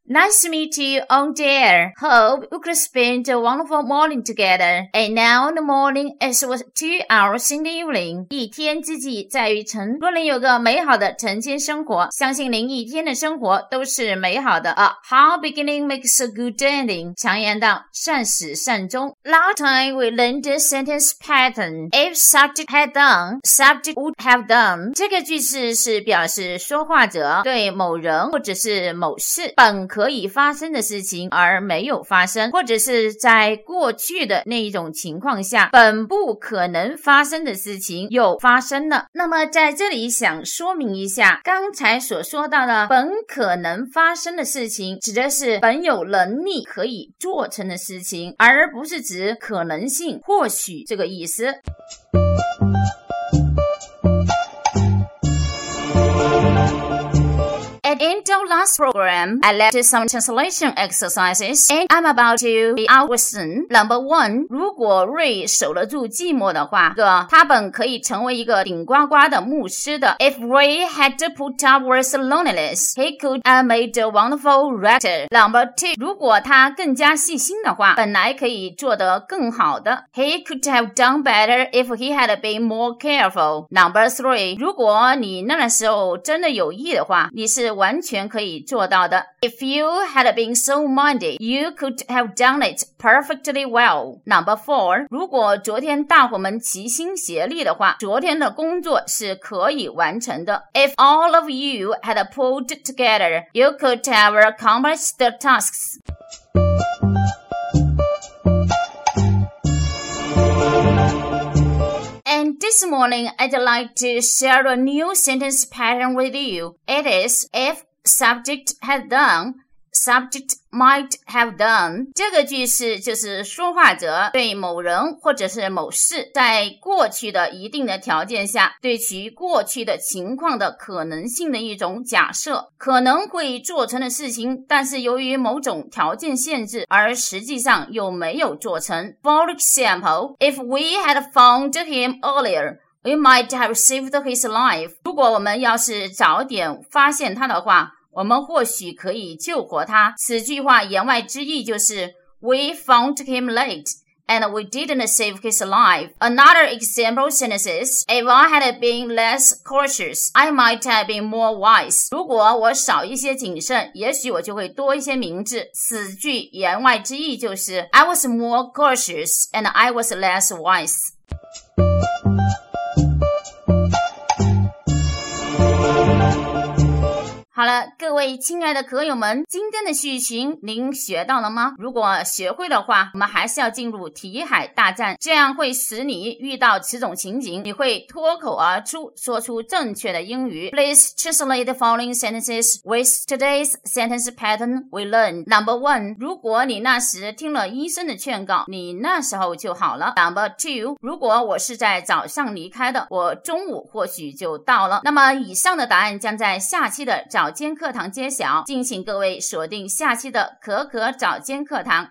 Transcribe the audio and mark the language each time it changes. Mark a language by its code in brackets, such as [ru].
[en] Nice to meet you on there. Hope we could spend a wonderful morning together. And now in the morning, it's 2 hours in the evening. [zh] 一天之计在于晨。若您有个美好的晨间生活，相信您一天的生活都是美好的。 [en] How beginning makes a good ending. [zh] 常言道，善始善终。 [en] Last time we learned the sentence pattern. If subject had done, subject would have done. [zh] 这个句式是表示说话者对某人或者是某事本可以发生的事情而没有发生，或者是在过去的那一种情况下本不可能发生的事情又发生了。那么在这里想说明一下，刚才所说到的本可能发生的事情指的是本有能力可以做成的事情，而不是指可能性或许这个意思。 [en] At the end of last program, I left some translation exercises, and I'm about to be out with them. Number one, [zh] 如果瑞守得住寂寞的话，他本可以成为一个顶呱呱的牧师的。 [en] If Ray had to put up with loneliness, he could have made a wonderful rector. Number two, [zh] 如果他更加细心的话，本来可以做得更好的。 [en] He could have done better if he had been more careful. Number three, [zh] 如果你那个时候真的有意的话，你是完全可以做到的。 [en] If you had been so minded, you could have done it perfectly well. Number four, [zh] 如果昨天大伙们齐心协力的话，昨天的工作是可以完成的。 [en] If all of you had pulled together, you could have accomplished the tasks. And this morning, I'd like to share a new sentence pattern with you. It is, if subject had done, subject might have done. [zh] 这个句式就是说话者对某人或者是某事在过去的一定的条件下对其过去的情况的可能性的一种假设，可能会做成的事情但是由于某种条件限制而实际上又没有做成。 [en] For example, if we had found him earlierWe might have saved his life. [zh] 如果我们要是早点发现他的话，我们或许可以救活他。此句话言外之意就是 [en] We found him late, and we didn't save his life. Another example sentence is, If I had been less cautious, I might have been more wise. [zh] 如果我少一些谨慎，也许我就会多一些明智。此句言外之意就是 [en] I was more cautious, and I was less wise. [zh] 好了，各位亲爱的课友们，今天的句型您学到了吗？如果学会的话，我们还是要进入题海大战，这样会使你遇到此种情景，你会脱口而出，说出正确的英语。 [en] Please translate the following sentences with today's sentence pattern we learned. Number one, [zh] 如果你那时听了医生的劝告，你那时候就好了。 [en] Number two, [zh] 如果我是在早上离开的，我中午或许就到了。那么以上的答案将在下期的早间课堂揭晓，敬请各位锁定下期的可可早间课堂。